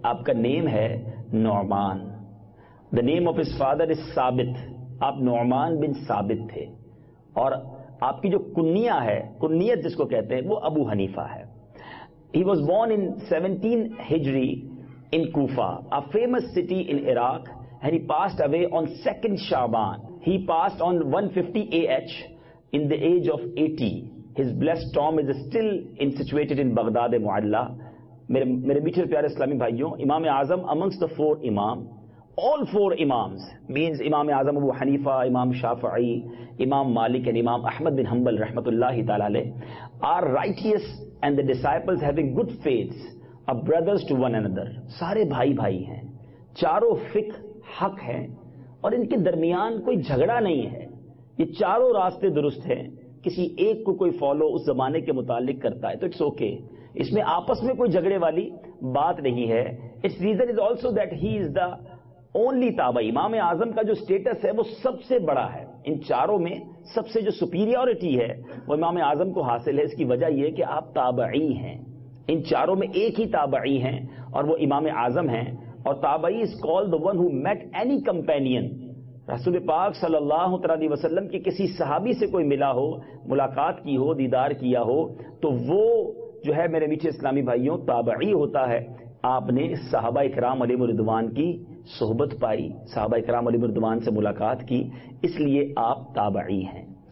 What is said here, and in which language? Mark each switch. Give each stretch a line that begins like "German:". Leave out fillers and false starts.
Urdu: آپ کا نیم ہے نعمان.
English: The name of his father is Sabit.
Urdu: آپ نعمان بن ثابت تھے, اور آپ کی جو کنیا ہے, کنیت جس کو کہتے ہیں, وہ ابو حنیفہ ہے.
English: He was born in 17 Hijri in Kufa, a famous city in Iraq. And he passed away on 2nd Shaban. He passed on 150 AH in the age of 80. His blessed tomb is still in, situated in Baghdad Mualla.
Urdu: Mere meethe pyare Islami bhaiyo,
English: Imam Azam amongst the four Imam, all four Imams, means Imam Azam Abu Hanifa, Imam Shafi'i, Imam Malik and Imam Ahmad bin Hanbal rahmatullahi ta'ala alayh, are righteous and the disciples having good faiths, are brothers to one another.
Urdu: Sare bhai bhai hain. Charo fiqh حق ہیں, اور ان کے درمیان کوئی جھگڑا نہیں ہے. یہ چاروں راستے درست ہیں. کسی ایک کو کوئی فالو اس زمانے کے متعلق کرتا ہے تو
English: it's okay,
Urdu: اس میں آپس میں کوئی جھگڑے والی بات نہیں ہے.
English: Its reason is also that he is the only تابعی.
Urdu: امام اعظم کا جو اسٹیٹس ہے وہ سب سے بڑا ہے ان چاروں میں. سب سے جو سپیریورٹی ہے وہ امام اعظم کو حاصل ہے. اس کی وجہ یہ کہ آپ تابعی ہیں, ان چاروں میں ایک ہی تابعی ہیں اور وہ امام اعظم ہیں.
English: اور تابعی is called the one who met any companion.
Urdu: رسول پاک صلی اللہ علیہ وسلم کے کسی صحابی سے کوئی ملا ہو, ملاقات کی ہو, دیدار کیا ہو, تو وہ جو ہے میرے میٹھے اسلامی بھائیوں تابعی ہوتا ہے. آپ نے صحابہ اکرام علی مردوان کی صحبت پائی, صحابہ اکرام علی مردوان سے ملاقات کی, اس لیے آپ تابعی ہیں.